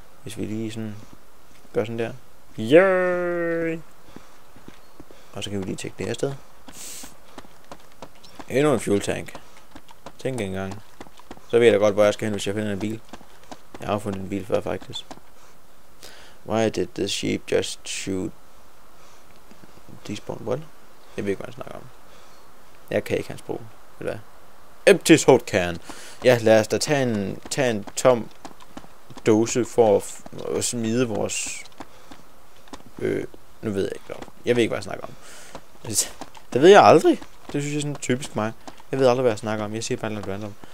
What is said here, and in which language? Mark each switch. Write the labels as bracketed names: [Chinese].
[Danish] Hvis vi lige sådan gør sådan der. Yay! Og så kan vi lige tjekke det her sted. Endnu en fuel tank. Tænk engang. Så ved jeg da godt, hvor jeg skal hen, hvis jeg finder en bil. Jeg har fundet en bil før, faktisk. [English] Why did the sheep just shoot this one? What? [Danish] Jeg ved ikke, hvad jeg snakker om. Jeg kan ikke hans sprog. Eller hvad? [English] Empty throat can. [Danish] Ja, lad os da tage en tom dose for at smide vores... nu ved jeg ikke, hvad. Jeg ved ikke, hvad jeg snakker om. Det ved jeg aldrig. Det synes jeg er sådan typisk mig. Jeg ved aldrig, hvad jeg snakker om. Jeg siger bare noget random.